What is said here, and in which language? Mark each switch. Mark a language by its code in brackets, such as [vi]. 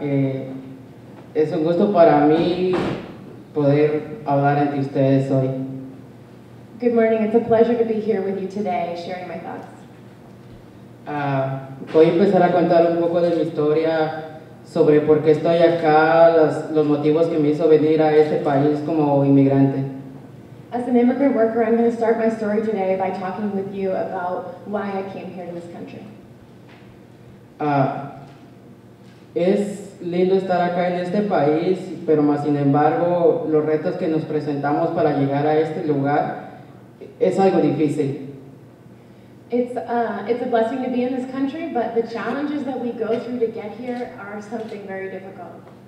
[es] Es un gusto para mí poder hablar entre ustedes hoy. [en] Good morning. It's a pleasure to be here with you today, sharing my thoughts. [es] Voy a empezar a contar un poco de mi historia sobre por qué estoy acá, los motivos que me hizo venir a este país como inmigrante. [en] As an immigrant worker, I'm going to start my story today by talking with you about why I came here to this country. [es] Es lindo estar acá en este país, pero más sin embargo, los retos que nos presentamos para llegar a este lugar es algo difícil. [en] It's a blessing to be in this country, but the challenges that we go through to get here are something very difficult.